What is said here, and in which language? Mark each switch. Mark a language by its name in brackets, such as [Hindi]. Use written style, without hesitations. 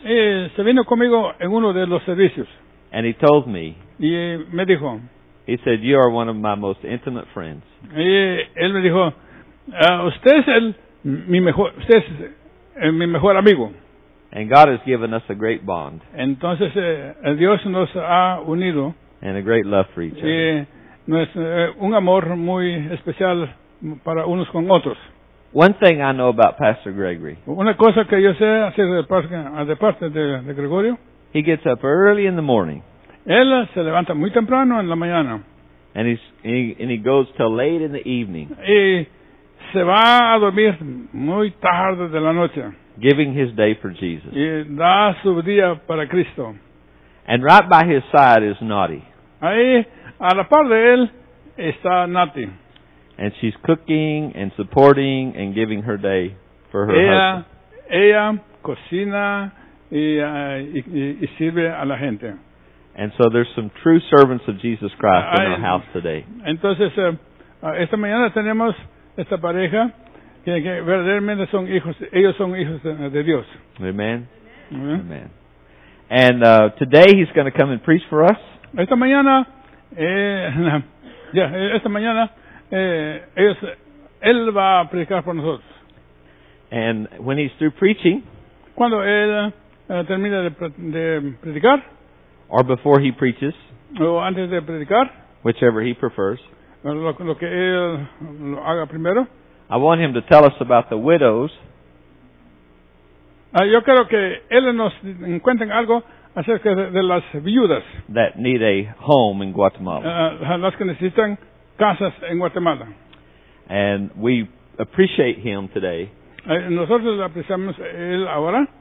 [Spanish] Y se vino conmigo en uno de los servicios. [English] And he told me. [Spanish] Y me dijo. [English] He said, "You are one of my most intimate friends." [Spanish] Y él me dijo, "Usted es mi mejor amigo." [English] And God has given us a great bond. [Spanish] Entonces, Dios nos ha unido. [English] And a great love for each other. [Spanish] Un amor muy especial para unos con otros. [English] One thing I know about Pastor Gregory. [Spanish] Una cosa que yo sé acerca de parte de Gregorio. [English] He gets up early in the morning. [Spanish] Él se levanta muy temprano en la mañana. [English] And he goes till late in the evening. [Spanish] Y se va a dormir muy tarde de la noche. [English] Giving his day for Jesus. [Spanish] Y da su día para Cristo. [English] And right by his side is Nati. [Spanish] Ahí, a la par de él, está Nati. [English] And she's cooking and supporting and giving her day for her [Spanish] ella, [English] husband. [Spanish] Ella cocina y sirve a la gente. [English] And so there's some true servants of Jesus Christ in our house today. [Spanish] Entonces, esta mañana tenemos esta pareja. Que verdaderamente son hijos, ellos son hijos de Dios. [English] Amen. Amen. And today he's going to come and preach for us. [Spanish] Esta mañana él va a predicar por nosotros. [English] And when he's through preaching, [Spanish] cuando él termina de predicar, [English] or before he preaches, [Spanish] o antes de predicar, [English] whichever he prefers, [Spanish] lo que él lo haga primero. [English] I want him to tell us about the widows. [Spanish] Yo quiero que él nos cuente algo acerca de las viudas. [English] That need a home in Guatemala. [Spanish] Las que necesitan casas en Guatemala. [English] And we appreciate him today. [Spanish] Nosotros le apreciamos él ahora.